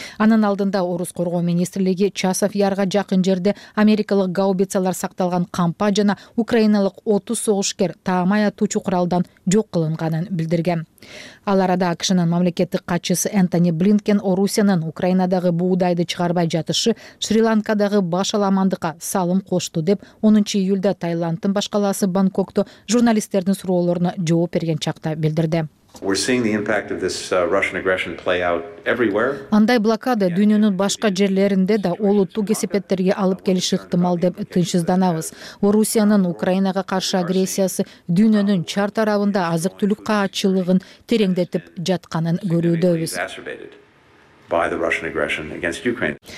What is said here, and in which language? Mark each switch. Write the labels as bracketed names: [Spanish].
[Kyrgyz] Анын алдында Орус коргоо министрлиги Часов Ярга жакын жерде америкалык гаубицалар сакталган кампа жана украиналык 30 согушкер таамай атуучу куралдан жок кылынганын билдирген. Ал арада АКШнын мамлекеттик катчысы Энтони Блинкен Орусиянын Украинадагы буудайды чыгарбай жатышы Шри-Ланкадагы баш аламандыкка салым кошту деп 10 июлда Тайландтын баш калаасы Бангкокто журналисттердин суроолоруна жооп берген чакта билдирди. [English] We're seeing the impact of this Russian aggression play out everywhere. [Kyrgyz] Андай блокада дүйнөнүн башка жерлеринде да олуттуу кесепеттерге алып келиши ыктымал деп тынчсызданабыз. Орусиянын Украинага каршы агрессиясы дүйнөнүн чар тарабында азык-түлүк каачылыгын тереңдетип жатканын көрүүдөбүз. [English] By the Russian aggression against Ukraine.